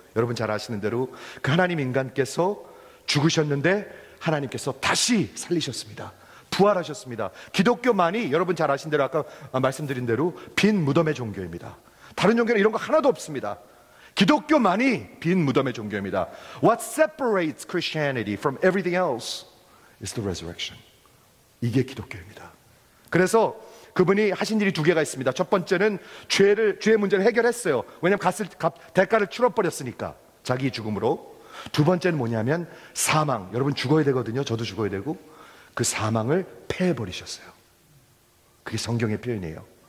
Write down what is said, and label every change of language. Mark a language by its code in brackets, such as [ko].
[ko] 여러분 잘 아시는 대로 그 하나님 인간께서 죽으셨는데 하나님께서 다시 살리셨습니다. 부활하셨습니다. 기독교만이 여러분 잘 아신 대로 아까 말씀드린 대로 빈 무덤의 종교입니다. 다른 종교는 이런 거 하나도 없습니다. 기독교만이 빈 무덤의 종교입니다. [en] What separates Christianity from everything else is the resurrection. [ko] 이게 기독교입니다. 그래서 그분이 하신 일이 두 개가 있습니다. 첫 번째는 죄의 문제를 해결했어요. 왜냐하면 대가를 치러버렸으니까 자기 죽음으로. 두 번째는 뭐냐면 사망. 여러분 죽어야 되거든요. 저도 죽어야 되고. 그 사망을 패해버리셨어요. 그게 성경의 표현이에요.